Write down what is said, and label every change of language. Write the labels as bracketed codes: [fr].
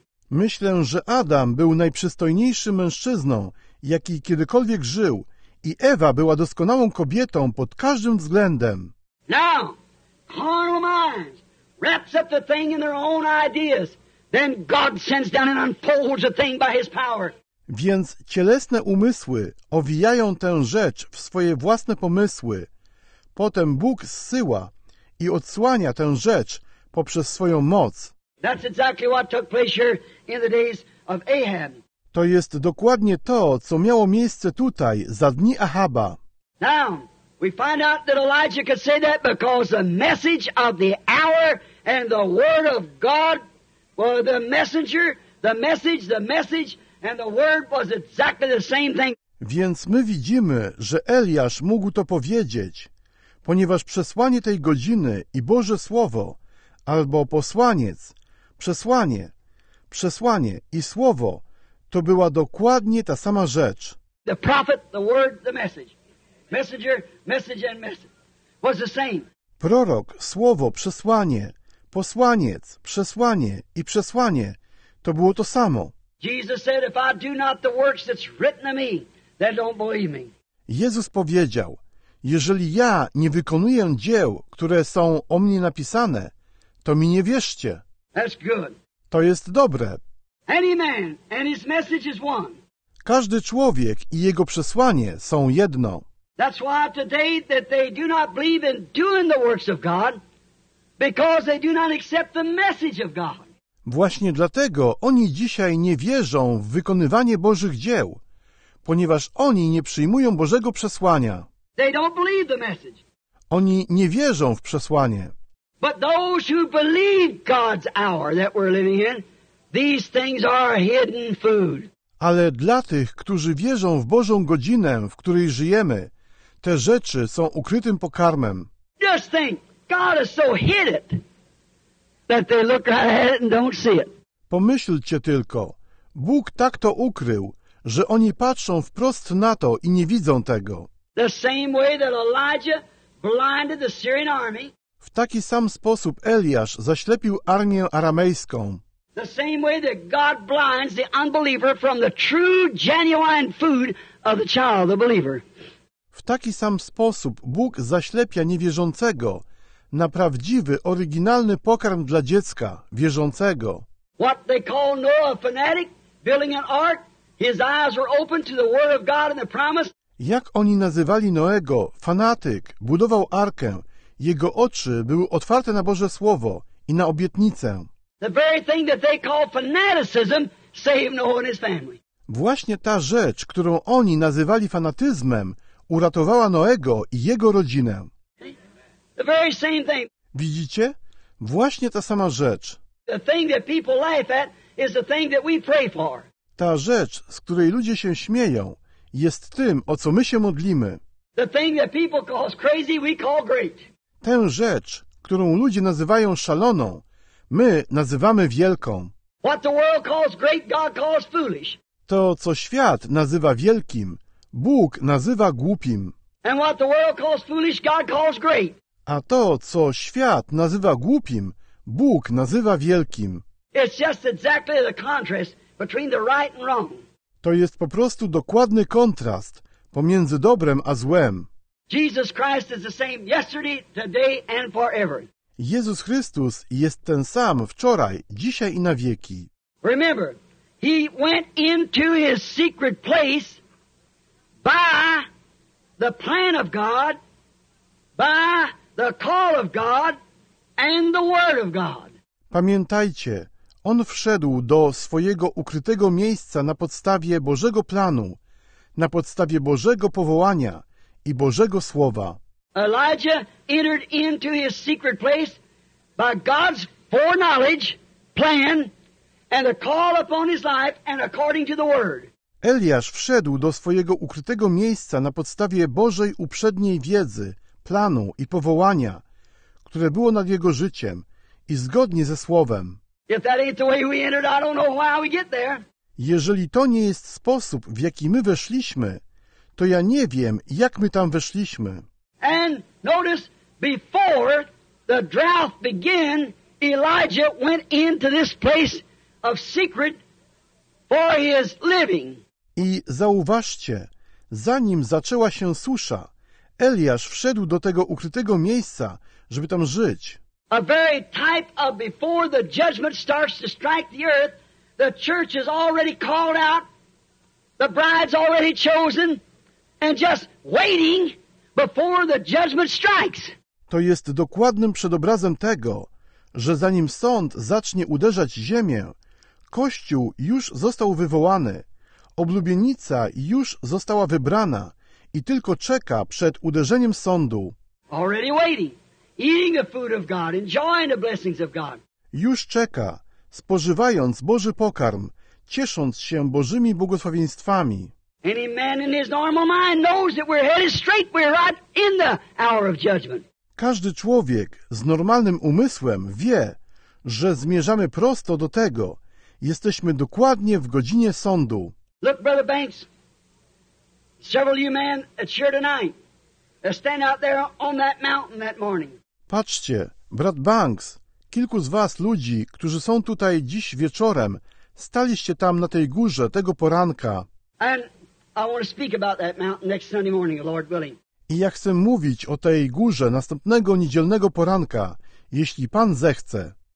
[pl] Myślę, że Adam był najprzystojniejszym mężczyzną, jaki kiedykolwiek żył, i Ewa była doskonałą kobietą pod każdym względem. [en] Now, carnal minds wraps up the thing in their own ideas, then God sends down and unfolds the thing by his power. [pl] Więc cielesne umysły owijają tę rzecz w swoje własne pomysły. Potem Bóg zsyła i odsłania tę rzecz poprzez swoją moc. [en] That's exactly what took place here in the days of Ahab. [pl] To jest dokładnie to, co miało miejsce tutaj za dni Achaba. [en] Now, we find out that Elijah could say that because the message of the hour and the word of God were the messenger, the message, and the word was exactly the same thing. [pl] Więc my widzimy, że Eliasz mógł to powiedzieć, ponieważ przesłanie tej godziny i Boże Słowo, albo posłaniec, przesłanie i Słowo, to była dokładnie ta sama rzecz. [en] The prophet, the word, the message. Messenger, message and message was the same. [pl] Prorok, słowo, przesłanie, posłaniec, przesłanie i przesłanie, to było to samo. [en] Jesus said, if I do not the works that's written of me, then don't believe me. [pl] Jezus powiedział, jeżeli ja nie wykonuję dzieł, które są o mnie napisane, to mi nie wierzcie. [en] That's good. [pl] To jest dobre. [en] Any man and his message is one. [pl] Każdy człowiek i jego przesłanie są jedno. [en] That's why today that they do not believe in doing the works of God, because they do not accept the message of God. [pl] Właśnie dlatego oni dzisiaj nie wierzą w wykonywanie Bożych dzieł, ponieważ oni nie przyjmują Bożego przesłania. [en] They don't believe the message. [pl] Oni nie wierzą w przesłanie. [en] But those who believe God's hour that we're living in, these things are hidden food. [pl] Ale dla tych, którzy wierzą w Bożą godzinę, w której żyjemy, te rzeczy są ukrytym pokarmem. [en] Just think, God is so hidden that they look right at it and don't see it. [pl] Pomyślcie tylko, Bóg tak to ukrył, że oni patrzą wprost na to i nie widzą tego. [en] The same way that Elijah blinded the Syrian army. [pl] W taki sam sposób Eliasz zaślepił armię aramejską. [en] The same way that God blinds the unbeliever from the true, genuine food of the child, the believer. [pl] W taki sam sposób Bóg zaślepia niewierzącego na prawdziwy, oryginalny pokarm dla dziecka, wierzącego. [en] What they call Noah fanatic, building an ark, his eyes were open to the word of God and the promise. [pl] Jak oni nazywali Noego, fanatyk, budował arkę, jego oczy były otwarte na Boże Słowo i na obietnicę. [en] The very thing that they call fanaticism saved Noah and his family. [pl] Właśnie ta rzecz, którą oni nazywali fanatyzmem, uratowała Noego i jego rodzinę. [en] The very same thing. [pl] Widzicie? Właśnie ta sama rzecz. [en] The thing that people laugh at is the thing that we pray for. [pl] Ta rzecz, z której ludzie się śmieją, jest tym, o co my się modlimy. [en] The thing that people call crazy, we call great. [pl] Tę rzecz, którą ludzie nazywają szaloną, my nazywamy wielką. [en] What the world calls great, God calls foolish. [pl] To, co świat nazywa wielkim, Bóg nazywa głupim. [en] And what the world calls foolish, God calls great. [pl] A to, co świat nazywa głupim, Bóg nazywa wielkim. [en] It's just exactly the contrast between the right and wrong. [pl] To jest po prostu dokładny kontrast pomiędzy dobrem a złem. [en] Jesus Christ is the same yesterday, today and forever. [pl] Jezus Chrystus jest ten sam wczoraj, dzisiaj i na wieki. [en] Remember, he went into his secret place by the plan of God, by the call of God and the word of God. [pl] Pamiętajcie, on wszedł do swojego ukrytego miejsca na podstawie Bożego planu, na podstawie Bożego powołania i Bożego słowa. [en] Elijah entered into his secret place by God's foreknowledge, plan, and a call upon his life and according to the word. [pl] Eliasz wszedł do swojego ukrytego miejsca na podstawie Bożej uprzedniej wiedzy, planu i powołania, które było nad jego życiem i zgodnie ze słowem. [en] If that ain't the way we entered, I don't know why we get there. [pl] Jeżeli to nie jest sposób, w jaki my weszliśmy, to ja nie wiem, jak my tam weszliśmy. [en] And notice, before the drought began, Elijah went into this place of secret for his living. [pl] I zauważcie, zanim zaczęła się susza, Eliasz wszedł do tego ukrytego miejsca, żeby tam żyć. [en] A very type of before the judgment starts to strike the earth, the church is already called out The bride's already chosen and just waiting before the judgment strikes. [pl] To jest dokładnym przedobrazem tego, że zanim sąd zacznie uderzać ziemię, Kościół już został wywołany, oblubienica już została wybrana i tylko czeka przed uderzeniem sądu. [en] Already waiting, eating the food of God, enjoying the blessings of God. [pl] Już czeka, spożywając Boży pokarm, ciesząc się Bożymi błogosławieństwami. [en] Any man in his normal mind knows that we're headed straight, we're right in the hour of judgment. [pl] Każdy człowiek z normalnym umysłem wie, że zmierzamy prosto do tego. Jesteśmy dokładnie w godzinie sądu. [en] Look, Brother Banks, several of you men that's here tonight that stand out there on that mountain that morning. [pl] Patrzcie, brat Banks, kilku z was ludzi, którzy są tutaj dziś wieczorem, staliście tam na tej górze tego poranka. [en] And I want to speak about that mountain next Sunday morning, Lord willing. [pl] I ja chcę mówić o tej górze następnego niedzielnego poranka, jeśli Pan zechce.